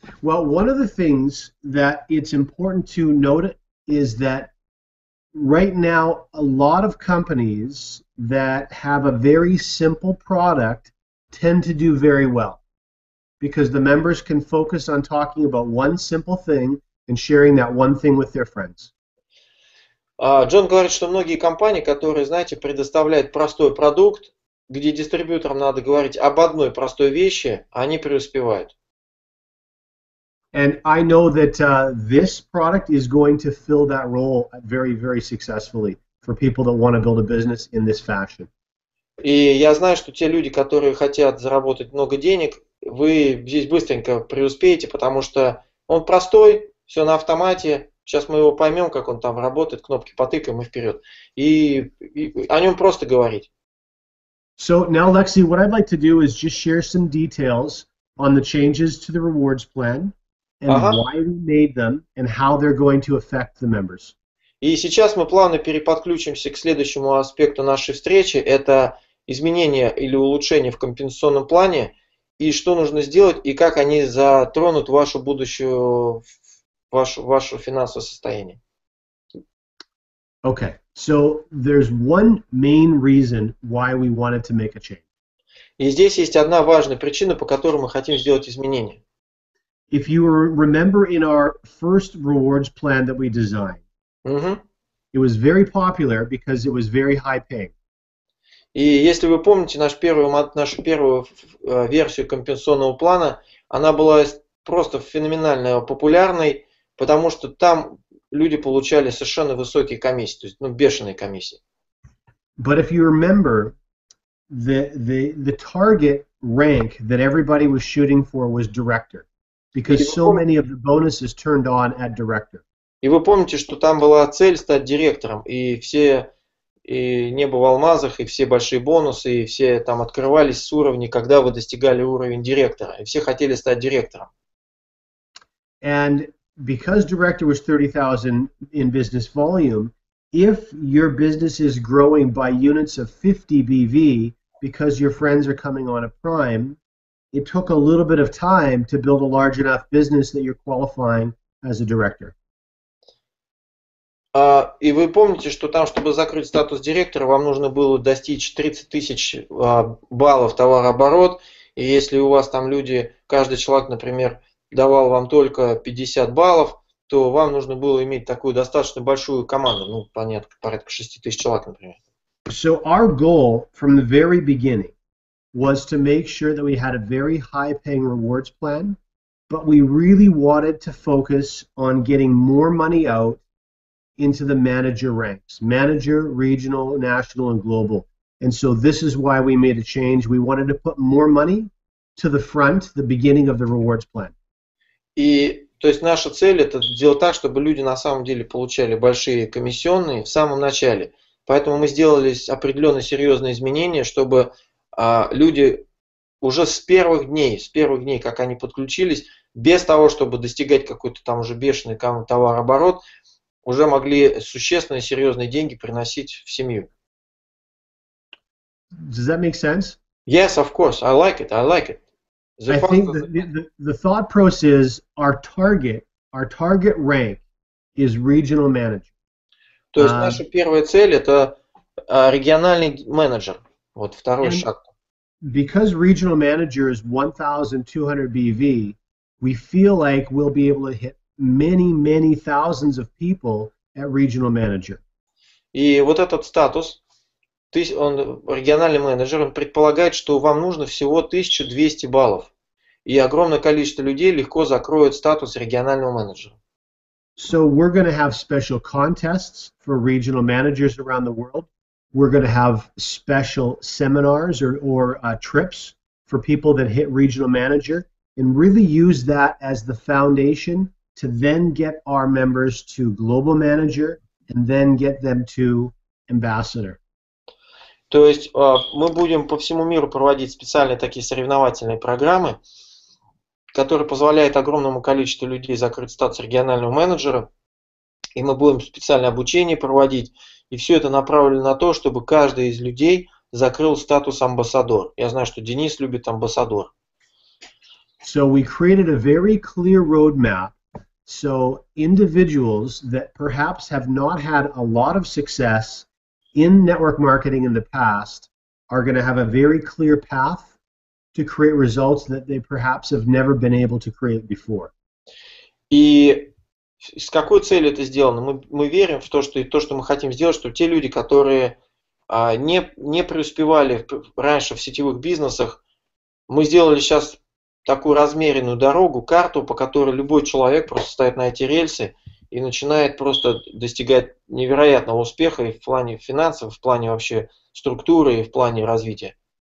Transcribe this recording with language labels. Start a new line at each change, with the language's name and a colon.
English: Well, one of the things that it's important to note is that right now, a lot of companies that have a very simple product tend to do very well because the members can focus on talking about one simple thing and sharing that one thing with their friends.
Russian: Джон говорит, что многие компании, которые, знаете, предоставляют простой продукт, где дистрибьюторам надо говорить об одной простой вещи, они преуспевают.
English: And I know that this product is going to fill that role very, very successfully for people that want to build a business in this fashion.
Russian: И я знаю, что те люди, которые хотят заработать много денег, вы здесь быстренько преуспеете, потому что он простой, все на автомате. Сейчас мы его поймем, как он там работает, кнопки потыкаем и вперед. И о нем просто говорить.
English: So now, Lexi, what I'd like to do is just share some details on the changes to the rewards plan. And why we made them, and how they're going to affect the members.
Russian: И сейчас мы плавно переподключимся к следующему аспекту нашей встречи. Это изменения или улучшения в компенсационном плане, и что нужно сделать, и как они затронут вашу будущую, ваше финансовое состояние.
English: Okay, so there's one main reason why we wanted to make a change.
Russian: И здесь есть одна важная причина, по которой мы хотим сделать изменения.
English: If you remember in our first rewards plan that we designed, It was very popular because it was very high paying.
Russian: И если вы помните нашу первую версию компенсационного плана, она была просто феноменально популярной, потому что там люди получали совершенно высокие комиссии, то есть бешеные комиссии.
English: But if you remember, the target rank that everybody was shooting for was director, because so many of the bonuses turned on at director.
Russian: И вы помните, что там была цель стать директором, и все и небо в алмазах, и все большие бонусы, и все там открывались с уровней, когда вы достигали уровень директора, и все хотели стать директором.
English: And because director was 30,000 in business volume, if your business is growing by units of 50 BV, because your friends are coming on a prime, it took a little bit of time to build a large enough business that you're qualifying as a director.
Russian: И вы помните, что там, чтобы закрыть статус директора, вам нужно было достичь 30 тысяч баллов товарооборот. И если у вас там люди, каждый человек, например, давал вам только 50 баллов, то вам нужно было иметь такую достаточно большую команду, порядка 6 тысяч человек, например.
English: So our goal from the very beginning was to make sure that we had a very high-paying rewards plan, but we really wanted to focus on getting more money out into the manager ranks, manager, regional, national, and global. And so this is why we made a change. We wanted to put more money to the front, the beginning of the rewards plan.
Russian: И, то есть наша цель – это сделать так, чтобы люди на самом деле получали большие комиссионные в самом начале. Поэтому мы сделали определенные серьезные изменения, чтобы люди уже с первых дней, как они подключились, без того, чтобы достигать какой-то там уже бешеный товарооборот, уже могли существенные, серьезные деньги приносить в семью.
English: Does that make sense? Yes, of course. I like it. I think the thought process, our target rank is regional manager.
Russian: То есть наша первая цель – это региональный менеджер. Вот второй шаг.
English: Because regional manager is 1,200 BV, we feel like we'll be able to hit many, many thousands of people at regional manager.
Russian: И вот этот статус, он региональный менеджер, он предполагает, что вам нужно всего 1200 баллов. И огромное количество людей легко закроет статус регионального менеджера.
English: So we're going to have special contests for regional managers around the world. We're going to have special seminars or trips for people that hit regional manager and really use that as the foundation to then get our members to global manager and then get them to ambassador.
Russian: То есть мы будем по всему миру проводить специальные такие соревновательные программы, которые позволяют огромному количеству людей закрыть статус регионального менеджера, и мы будем специальное обучение проводить, и все это направлено на то, чтобы каждый из людей закрыл статус амбассадор. Я знаю, что Денис любит амбассадор.
English: So we created a very clear roadmap. So individuals that perhaps have not had a lot of success in network marketing in the past are going to have a very clear path to create results that they perhaps have never been able to create before.
Russian: И с какой целью это сделано? Мы верим в то, что мы хотим сделать, что те люди, которые не преуспевали раньше в сетевых бизнесах, мы сделали сейчас такую размеренную дорогу, карту, по которой любой человек просто встает на эти рельсы и начинает просто достигать невероятного успеха и в плане финансов, в плане вообще структуры и в плане развития.